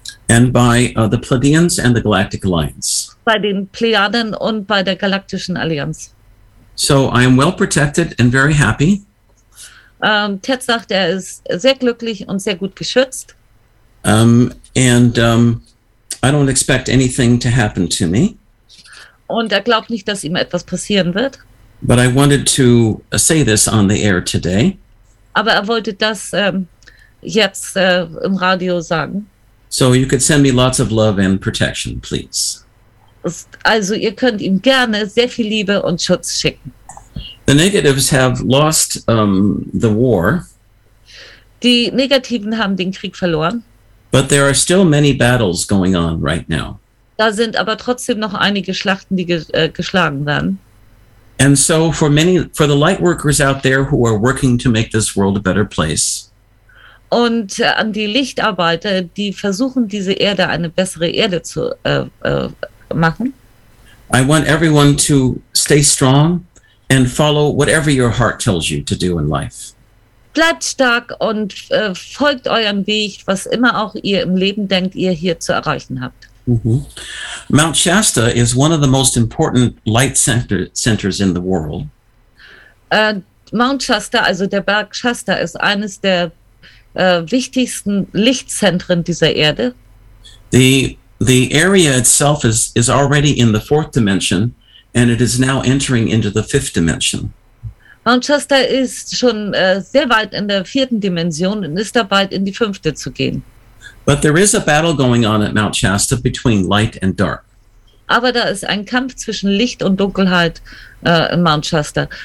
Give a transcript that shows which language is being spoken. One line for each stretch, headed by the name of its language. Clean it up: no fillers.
English: And by the Pleiadians and the Galactic Alliance.
German: Bei den Plejaden und bei der Galaktischen Allianz.
English: So I am well protected and very happy.
German: Ted sagt, ist sehr glücklich und sehr gut geschützt.
English: I don't expect anything to happen to me.
German: Und glaubt nicht, dass ihm etwas passieren wird.
English: But I wanted to say this on the air today.
German: Aber wollte das jetzt im Radio sagen.
English: So you could send me lots of love and protection, please.
German: Also ihr könnt ihm gerne sehr viel Liebe und Schutz schicken.
English: The negatives have lost the war.
German: Die Negativen haben den Krieg verloren.
English: But there are still many battles going on right now.
German: Da sind aber trotzdem noch einige Schlachten, die geschlagen werden.
English: And so for the light workers out there who are working to make this world a better place.
German: Und an die Lichtarbeiter, die versuchen, diese Erde eine bessere Erde zu machen.
English: I want everyone to stay strong and follow whatever your heart tells you to do in life.
German: Bleibt stark und folgt eurem Weg, was immer auch ihr im Leben denkt, ihr hier zu erreichen habt. Mm-hmm.
English: Mount Shasta is one of the most important light centers in the world.
German: Mount Shasta, also der Berg Shasta, ist eines der wichtigsten Lichtzentren dieser Erde.
English: The area itself is already in the fourth dimension. And it is now entering into the fifth dimension.
German: Mount Shasta ist schon sehr weit in der vierten Dimension und ist dabei, in die fünfte zu gehen.
English: But there is a battle going on at Mount Shasta between light and dark.
German: Aber da ist ein Kampf zwischen Licht und Dunkelheit in Mount Shasta.